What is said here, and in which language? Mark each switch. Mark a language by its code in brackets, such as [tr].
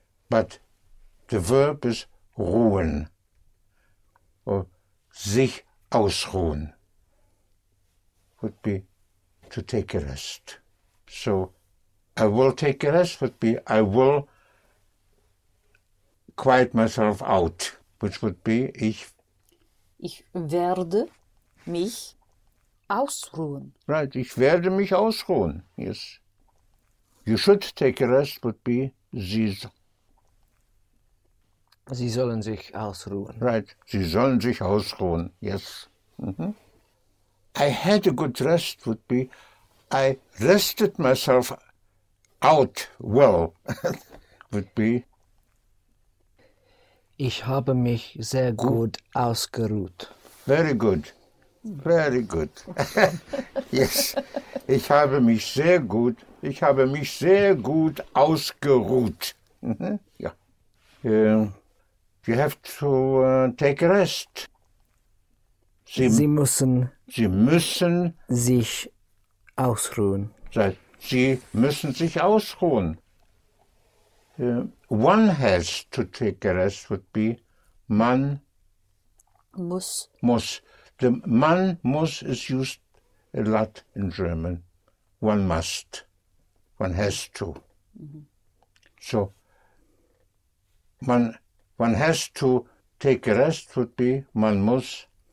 [en] But the verb is ruhen. Or sich ausruhen. Would be to take a rest. So, I will take a rest would be I will quiet myself out. Which would be ich. [de] Ich werde mich ausruhen. Right, ich werde mich ausruhen. [en] Yes. You should take a rest would be [de] Sie sollen sich ausruhen. Right, Sie sollen sich ausruhen. [en] Yes. Mm-hmm. I had a good rest would be I rested myself out well. Would be [de] ich habe mich sehr gut ausgeruht. [en] Very good. Very good. Yes. [de] Ich habe mich sehr gut. Ich habe mich sehr gut ausgeruht. [en] Mm-hmm. Yeah. You have to take a rest. [de] Sie müssen sich ausruhen. Sie müssen sich ausruhen. [en] One has to take a rest would be man [de] muss. [en] The man muss is used a lot in German. One must. One has to. Mm-hmm. So, one has to take a rest would be man muss